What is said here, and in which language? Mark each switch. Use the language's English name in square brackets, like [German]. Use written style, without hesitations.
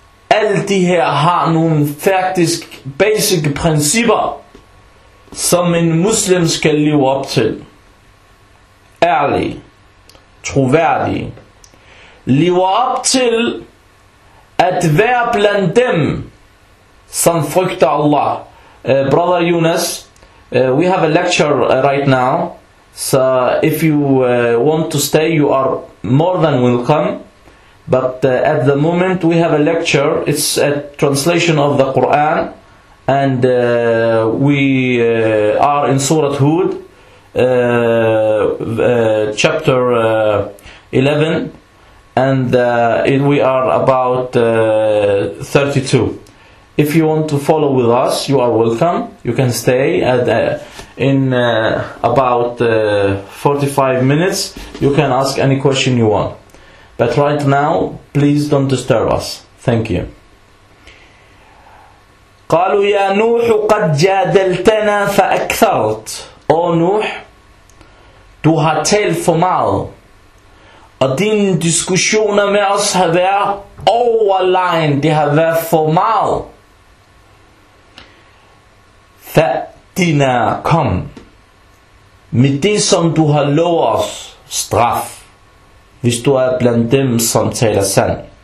[Danish] Alle de her har nogle faktisk basic principper, som en muslim skal leve op til. Ærlig, troværdig, lever op til at være blandt dem, som frygter Allah. [English] Brother Yunus, we have a lecture right now, so if you want to stay, you are more than welcome. But at the moment we have a lecture, it's a translation of the Quran, and we are in Surah Hud, chapter 11. And we are about 32. If you want to follow with us, you are welcome. You can stay at, in about 45 minutes. You can ask any question you want. But right now, please don't disturb us. Thank you. [Arabic] قالوا يا نوح قد جادلتنا فأكثرت. [Danish] O Nuh, du har talt for meget, og dine diskussioner med os har været overlegen, det har været for meget. Fatina, kom med det, som du har lovet os, straf, hvis du er blandt dem, som taler sand.